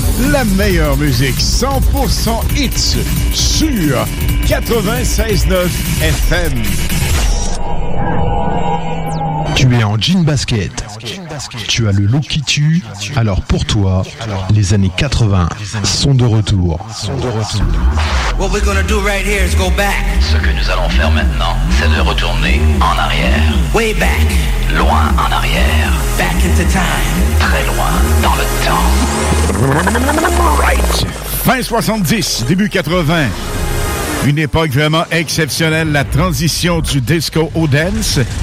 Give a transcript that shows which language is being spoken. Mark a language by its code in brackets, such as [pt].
[fr] La meilleure musique, 100% hits sur 96.9 FM. Tu es en jean basket. Tu as le look qui tue. Alors pour toi, les années 80 sont de retour. [en] What we're gonna do right here is go back. [fr] Ce que nous allons faire maintenant, c'est de retourner en arrière. [en] Way back. [fr] Loin en arrière. [en] Back into time. [fr] Très loin dans le temps. [en] Right. [fr] Fin 70, début 80. Une époque vraiment exceptionnelle, la transition du disco au dance.